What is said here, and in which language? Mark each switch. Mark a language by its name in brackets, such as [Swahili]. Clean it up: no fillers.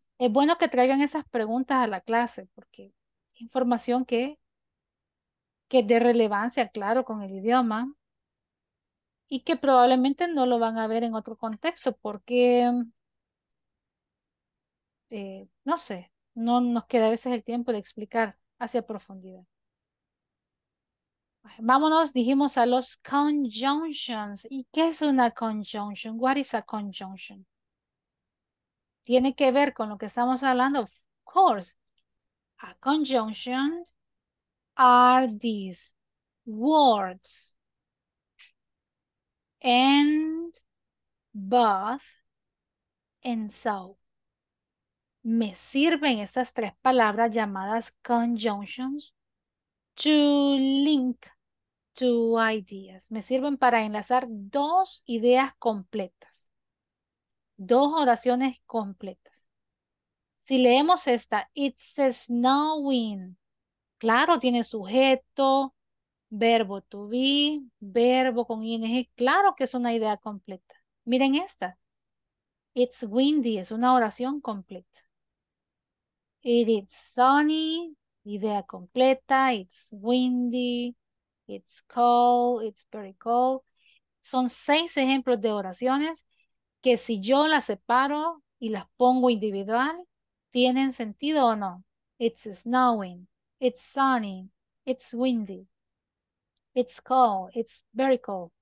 [Spanish] Es bueno que traigan esas preguntas a la clase, porque información que dé relevancia, claro, con el idioma, y que probablemente no lo van a ver en otro contexto, porque, no sé, no nos queda a veces el tiempo de explicar hacia profundidad. Vámonos, dijimos, a los conjunctions. ¿Y qué es una conjunction? [English] What is a conjunction? [Spanish] ¿Tiene que ver con lo que estamos hablando? [English] Of course. A conjunction are these words and, but, and so. [Spanish] Me sirven estas tres palabras llamadas conjunctions [English] to link two ideas. [Spanish] Me sirven para enlazar dos ideas completas. Dos oraciones completas. Si leemos esta, [English] it's snowing. [Spanish] Claro, tiene sujeto, verbo to be, verbo con ing. Claro que es una idea completa. Miren esta. [English] It's windy, [Spanish] es una oración completa. [English] It is sunny, [Spanish] idea completa, [English] it's windy, it's cold, it's very cold. [Spanish] Son seis ejemplos de oraciones que si yo las separo y las pongo individual, ¿tienen sentido o no? [English] It's snowing, it's sunny, it's windy, it's cold, it's very cold.